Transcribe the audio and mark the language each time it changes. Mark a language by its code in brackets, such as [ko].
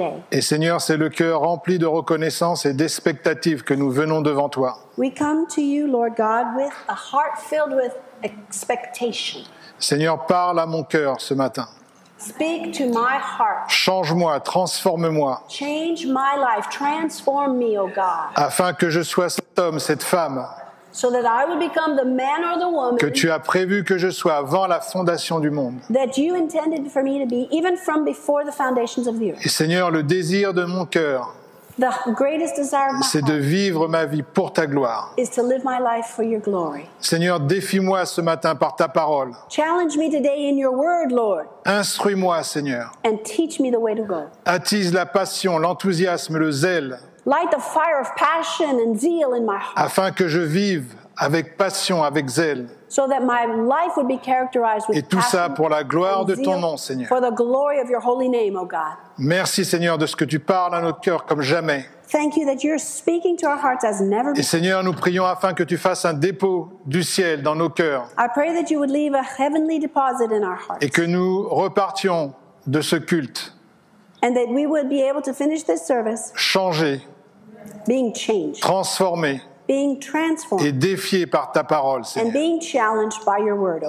[fr] Et Seigneur, c'est le cœur rempli de reconnaissance et d'expectative que nous venons devant toi. [en] We come to you, Lord God, with a heart filled with expectation. [fr] Seigneur, parle à mon cœur ce matin. [en] Speak to my heart. [fr] Change-moi, transforme-moi. [en] Change my life, transform me, O God. [fr] Afin que je sois cet homme, cette femme. [en] So that I would become the man or the woman. [fr] Que tu as prévu que je sois avant la fondation du monde. [en] That you intended for me to be even from before the foundations of the earth. [fr] Et Seigneur, le désir de mon cœur. [en] The greatest desire of my heart, [fr] c'est de vivre ma vie pour ta gloire. [en] Is to live my life for your glory. [fr] Seigneur, défie-moi ce matin par ta parole. [en] Challenge me today in your word, Lord. [fr] Instruis-moi, Seigneur. [en] And teach me the way to go. [fr] Attise la passion, l'enthousiasme, le zèle. [en] Light the fire of passion and zeal in my heart. [fr] Afin que je vive avec passion, avec zèle. [en] So that my life would be characterized with [fr] et tout ça pour la gloire de ton nom, Seigneur. [en] For the glory of your holy name, O God. [fr] Merci, Seigneur, de ce que tu parles à notre cœur comme jamais. [en] Thank you that you're speaking to our hearts as never before. [fr] Et Seigneur, nous prions afin que tu fasses un dépôt du ciel dans nos cœurs. [en] I pray that you would leave a heavenly deposit in our hearts. [fr] Et que nous repartions de ce culte. [en] And that we would be able to finish this service. [fr] Changés. [en] Being changed. [fr] Transformés. [en] Being transformed [fr] et défié par ta parole, Seigneur, [en] and being challenged by your word,